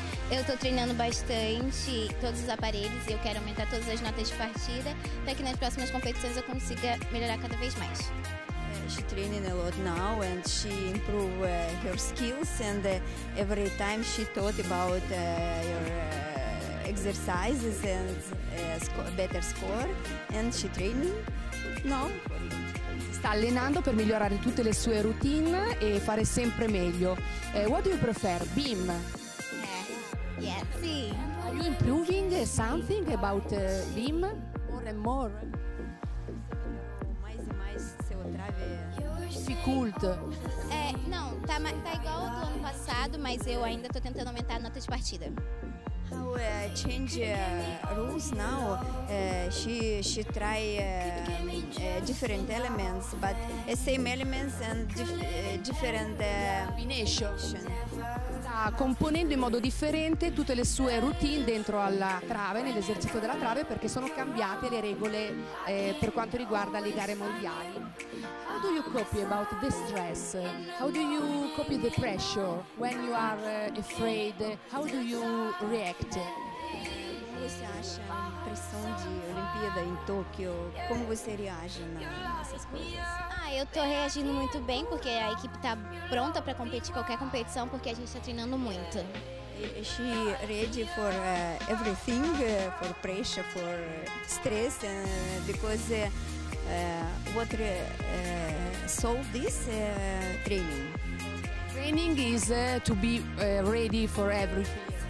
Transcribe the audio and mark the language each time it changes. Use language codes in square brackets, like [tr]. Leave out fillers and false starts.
[pt] Eu estou treinando bastante todos os aparelhos e eu quero aumentar todas as notas de partida para que nas próximas competições eu consiga melhorar cada vez mais. [en] She training a lot now and she improve her skills and every time she thought about your exercises and better score and she training. No. [it] Sta allenando per migliorare tutte le sue routine e fare sempre meglio. [en] What do you prefer? Beam? Yes. Yes. [it] Sì. [en] Are you improving something about beam? More and more? [pt] Mais e mais se trave. [en] Difficult. [pt] Não, tá igual do ano passado, mas eu ainda tô tentando aumentar a nota de partida. [en] How change rules now? She try different elements, but same elements and different combination. [it] Sta componendo in modo differente tutte le sue routine dentro alla trave, nell'esercizio della trave, perché sono cambiate le regole per quanto riguarda le gare mondiali. [en] How do you cope about the stress? How do you cope the pressure when you are afraid? How do you react? [pt] Como você acha a pressão de Olimpíada em Tóquio? Como você reage nessas coisas? Eu tô reagindo muito bem porque a equipe tá pronta para competir qualquer competição porque a gente tá treinando muito. [en] She ready for everything, for pressure, for stress, because what solve this training? Training is to be ready for everything.